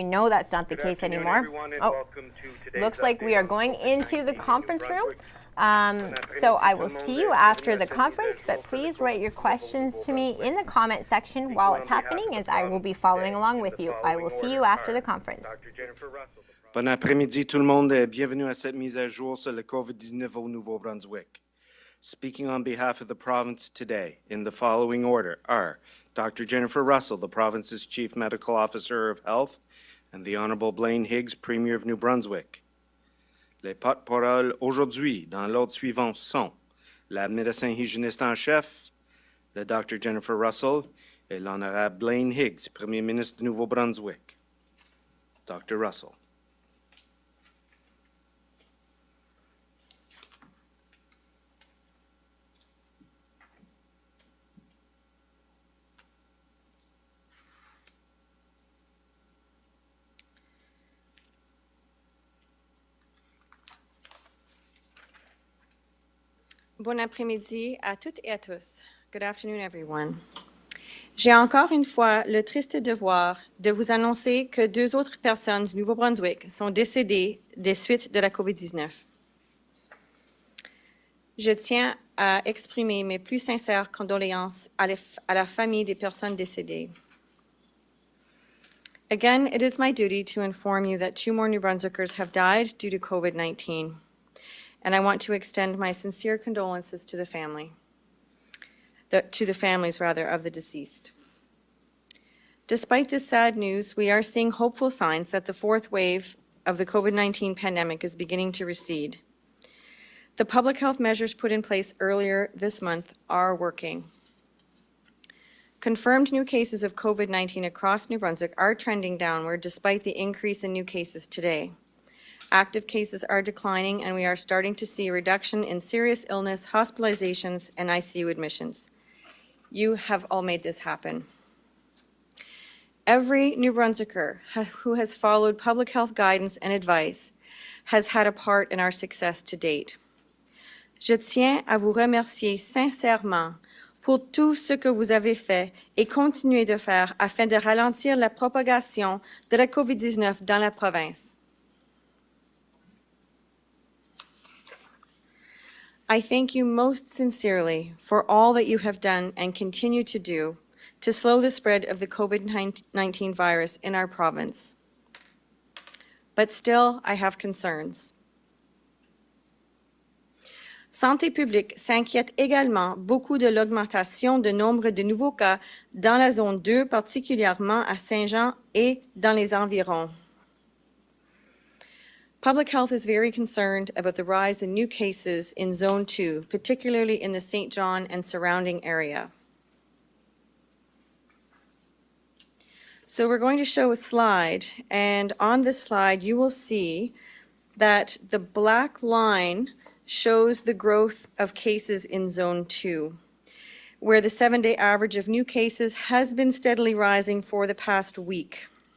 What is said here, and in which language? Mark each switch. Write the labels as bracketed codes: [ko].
[en] We know that's not the case anymore. Good afternoon, everyone, and welcome to looks like we are going into the conference room. So I will see you after the conference, but please write your questions to me in the comment section while it's happening, as I will be following along with you. I will see you after the conference. [fr] Bon après-midi tout le monde et bienvenue à cette mise à jour sur le COVID-19 au Nouveau-Brunswick. [en] Speaking on behalf of the province today, in the following order are Dr. Jennifer Russell, the province's Chief Medical Officer of Health, and the Honorable Blaine Higgs, Premier of New Brunswick. [fr] Les porte-parole aujourd'hui dans l'ordre suivant sont la médecin hygiéniste en chef, le Dr. Jennifer Russell et l'honorable Blaine Higgs, Premier ministre de Nouveau-Brunswick. Dr. Russell. Bon après-midi à toutes et à tous. [en] Good afternoon, everyone. [fr] J'ai encore une fois le triste devoir de vous annoncer que deux autres personnes du Nouveau-Brunswick sont décédées des suites de la COVID-19. Je tiens à exprimer mes plus sincères condoléances à la famille des personnes décédées. [en] Again, it is my duty to inform you that two more New Brunswickers have died due to COVID-19. And I want to extend my sincere condolences to the family, to the families of the deceased. Despite this sad news, we are seeing hopeful signs that the fourth wave of the COVID-19 pandemic is beginning to recede. The public health measures put in place earlier this month are working. Confirmed new cases of COVID-19 across New Brunswick are trending downward despite the increase in new cases today. Active cases are declining, and we are starting to see a reduction in serious illness, hospitalizations, and ICU admissions. You have all made this happen. Every New Brunswicker who has followed public health guidance and advice has had a part in our success to date. [fr] Je tiens à vous remercier sincèrement pour tout ce que vous avez fait et continuez de faire afin de ralentir la propagation de la COVID-19 dans la province. [en] I thank you most sincerely for all that you have done and continue to do to slow the spread of the COVID-19 virus in our province. But still, I have concerns. [fr] Santé publique s'inquiète également beaucoup de l'augmentation de nombre de nouveaux cas dans la zone 2, particulièrement à Saint-Jean et dans les environs. [en] Public health is very concerned about the rise in new cases in Zone 2, particularly in the St. John and surrounding area. So we're going to show a slide, and on this slide you will see that the black line shows the growth of cases in Zone 2, where the 7-day average of new cases has been steadily rising for the past week.